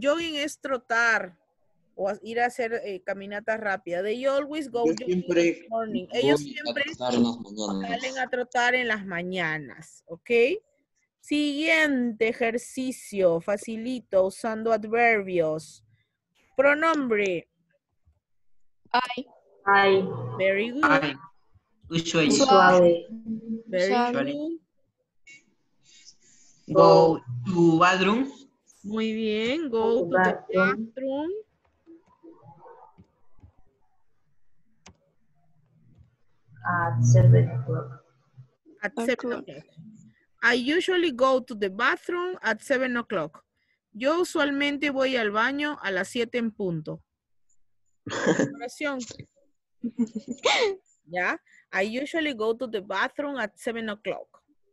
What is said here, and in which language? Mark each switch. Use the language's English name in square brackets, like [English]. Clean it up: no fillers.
[Spanish] Jogging es trotar o ir a hacer caminatas rápidas. [English] They always go jogging in the morning. [Spanish] Ellos siempre salen a trotar en las mañanas, ¿ok? Siguiente ejercicio, facilito, usando adverbios. Pronombre. [English] I. Very good. Usually. Usually. Very good. Go to bathroom. [Spanish] Muy bien. [English] Go to bathroom. At 7 o'clock. I usually go to the bathroom at 7 o'clock. [Spanish] Yo usualmente voy al baño a las 7 en punto. Oración. ¿Ya? Yeah. [English] I usually go to the bathroom at 7 o'clock.